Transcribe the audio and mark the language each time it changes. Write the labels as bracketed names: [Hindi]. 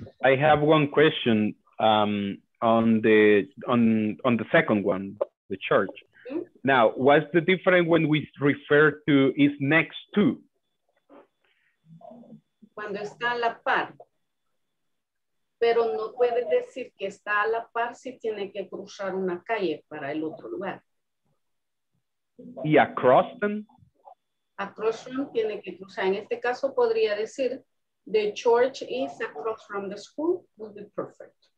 [English] I have one question on the second one, the church. Mm-hmm. Now, what's the difference when we refer to is next to? [Spanish] Cuando está a la par. Pero no puede decir que está a la par si tiene que cruzar una calle para el otro lugar. ¿Y across them? Across them tiene que cruzar. [English] En este caso podría decir, the church is across from the school, would be perfect.